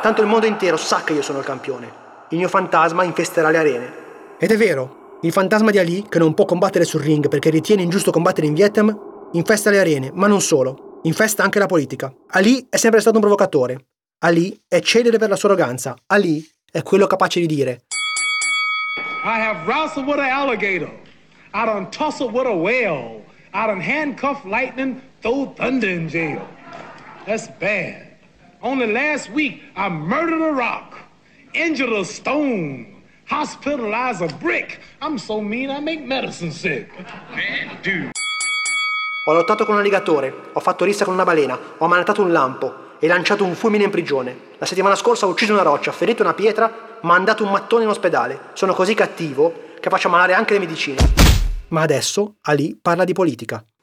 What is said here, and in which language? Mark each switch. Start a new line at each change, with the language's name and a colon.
Italian: Tanto il mondo intero sa che io sono il campione. Il mio fantasma infesterà le arene. Ed è vero. Il fantasma di Ali, che non può combattere sul ring perché ritiene ingiusto combattere in Vietnam, infesta le arene, ma non solo. Infesta anche la politica. Ali è sempre stato un provocatore. Ali è celebre per la sua arroganza. Ali è quello capace di dire:
English: I have wrestled with an alligator. I done tussled with a whale. I done handcuffed lightning, throw thunder in jail. That's bad. Only last week I murdered a rock, injured a stone. Hospitalize a brick. I'm so mean I make medicine sick. Man, dude.
Italian: Ho lottato con un alligatore, ho fatto rissa con una balena, ho ammanettato un lampo e lanciato un fulmine in prigione. La settimana scorsa ho ucciso una roccia, ferito una pietra, mandato un mattone in ospedale. Sono così cattivo che faccio ammalare anche le medicine. Ma adesso Ali parla di politica.